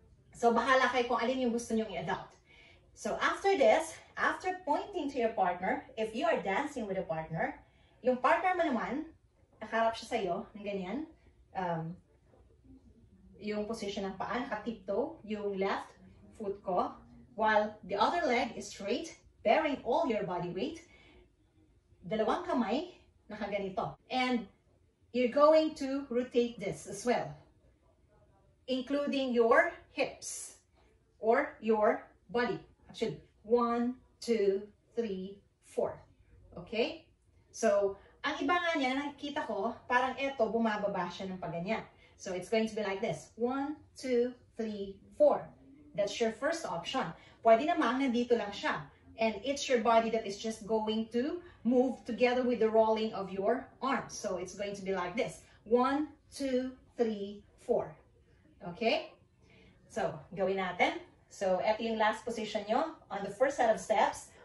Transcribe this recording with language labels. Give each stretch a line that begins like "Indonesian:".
Filipino: So bahala kayo kung alin yung gusto nyong i-adopt. So after this, after pointing to your partner, if you are dancing with a partner, yung partner mo naman, nakaharap siya sa'yo, ng ganyan, yung position ng paa, nakatiptoe, yung left foot ko,
English: while the other leg is straight, bearing all your body weight,
Filipino: dalawang kamay, nakaganito.
English: And you're going to rotate this as well, including your hips or your body. Actually, 1, 2, 3, 4. Okay?
Filipino: So, ang iba nga niya, nakikita ko, parang eto, bumababa siya ng paganyan.
English: So, it's going to be like this. 1, 2, 3, 4. That's your first option.
Filipino: Pwede namang nandito lang siya.
English: And it's your body that is just going to move together with the rolling of your arms. So it's going to be like this. 1, 2, 3, 4. Okay?
Filipino: So, gawin natin. So, eto yung last position nyo
English: on the first set of steps.